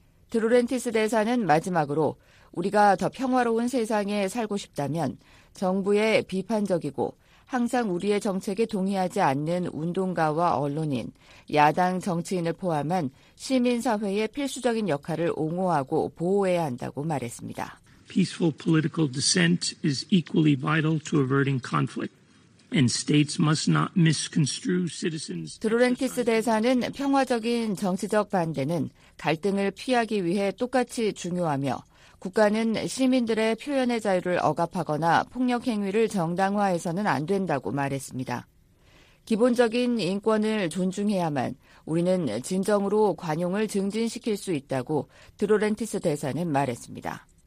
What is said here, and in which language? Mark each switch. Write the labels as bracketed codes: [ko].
[ko] 드로렌티스 대사는 마지막으로 우리가 더 평화로운 세상에 살고 싶다면 정부의 비판적이고 항상 우리의 정책에 동의하지 않는 운동가와 언론인, 야당 정치인을 포함한 시민사회의 필수적인 역할을 옹호하고 보호해야 한다고 말했습니다. [en] Peaceful political dissent is equally vital to averting conflict, and states must not misconstrue citizens. [ko] 드로렌티스 대사는 평화적인 정치적 반대는 갈등을 피하기 위해 똑같이 중요하며 국가는 시민들의 표현의 자유를 억압하거나 폭력 행위를 정당화해서는 안 된다고 말했습니다. 기본적인 인권을 존중해야만 우리는 진정으로 관용을 증진시킬 수 있다고 드로렌티스 대사는 말했습니다.